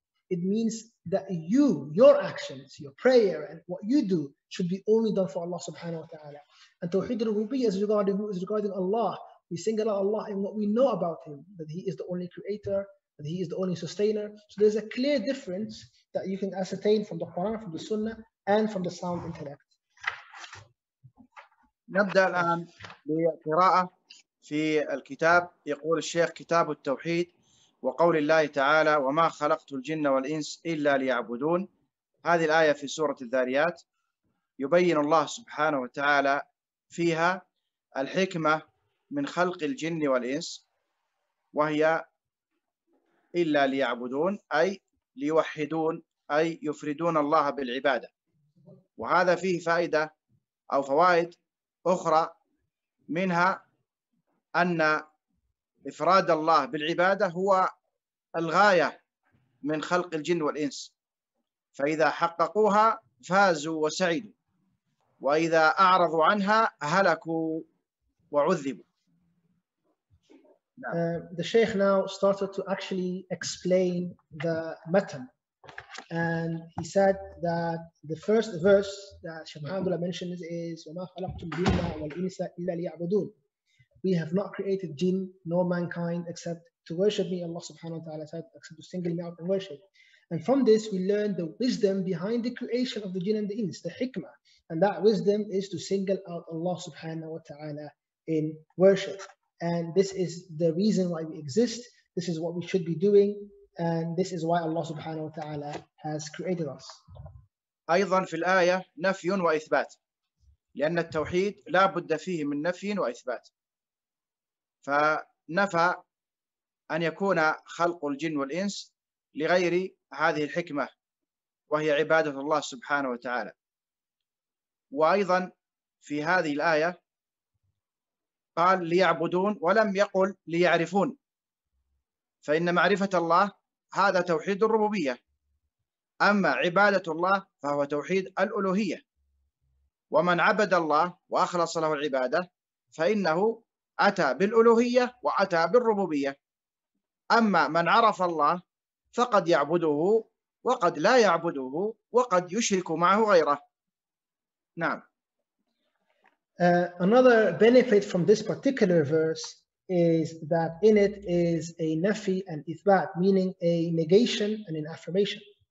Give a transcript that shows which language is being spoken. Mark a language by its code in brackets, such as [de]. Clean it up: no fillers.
[en] It means that you, your actions, your prayer, and what you do should be only done for Allah subhanahu wa ta'ala. And Tawheed al-Rububiyya is regarding Allah. We single out Allah in what we know about Him, that He is the only creator, that He is the only sustainer. So there's a clear difference that you can ascertain from the Quran, from the Sunnah, and from the sound intellect. [ar] نبدأ الآن بقراءة في الكتاب. يقول الشيخ: كتاب التوحيد وقول الله تعالى: وما خلقت الجن والإنس إلا ليعبدون. هذه الآية في سورة الذاريات يبين الله سبحانه وتعالى فيها الحكمة من خلق الجن والإنس، وهي إلا ليعبدون، أي ليوحدون، أي يفردون الله بالعبادة. وهذا فيه فائدة أو فوائد أخرى، منها أن إفراد الله بالعبادة هو الغاية من خلق الجن والإنس، فإذا حققوها فازوا وسعدوا، وإذا أعرضوا عنها هلكوا وعذبوا. [en] The Shaykh now started to actually explain the matan, and he said that the first verse that Shaykh Abdullah mentions is [ar] وَمَا خَلَقْتُمْ جِنَّا وَالْإِنِسَ إِلَّا لِيَعْبُدُونَ. [en] We have not created jinn nor mankind except to worship me, Allah subhanahu wa ta'ala said, except to single me out and worship. And from this we learn the wisdom behind the creation of the jinn and the ins, the hikmah. And that wisdom is to single out Allah subhanahu wa ta'ala in worship. And this is the reason why we exist. This is what we should be doing. And this is why Allah subhanahu wa ta'ala has created us. [ar] أيضا في الآية نفي وإثبات، لأن التوحيد لا بد فيه من نفي وإثبات. فنفى أن يكون خلق الجن والإنس لغير هذه الحكمة، وهي عبادة الله سبحانه وتعالى. وأيضا في هذه الآية قال ليعبدون ولم يقل ليعرفون، فإن معرفة الله هذا توحيد الربوبية، أما عبادة الله فهو توحيد الألوهية، ومن عبد الله وأخلص له العبادة فإنه أتى بالألوهية وأتى بالربوبية، أما من عرف الله فقد يعبده وقد لا يعبده وقد يشرك معه غيره. نعم. [en] Another benefit from this particular verse is that in it is a nafi and ithbat, meaning a negation and an affirmation.